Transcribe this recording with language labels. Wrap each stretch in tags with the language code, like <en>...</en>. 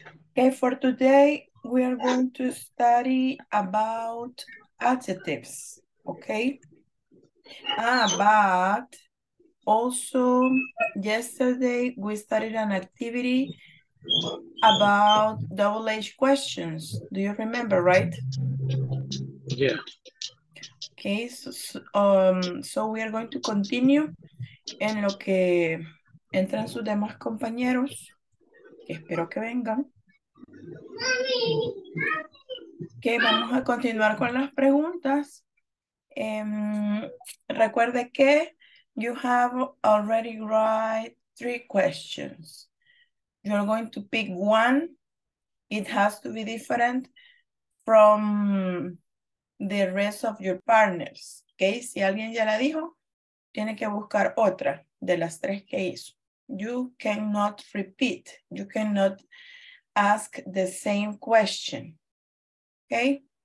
<en>Okay, for today we are going to study about adjectives. Okay. But also yesterday we started an activity about WH questions. Do you remember, right? Yeah. Okay, so we are going to continue</en> <es>en lo que entran sus demás compañeros. Espero que vengan. Que okay, vamos a continuar con las preguntas. Recuerde que</es> <en>you have already write three questions. You're going to pick one. It has to be different from the rest of your partners.</en> <es>Okay, si alguien ya la dijo, tiene que buscar otra de las tres que hizo.</es> <en>You cannot repeat. You cannot ask the same question. Okay.</en>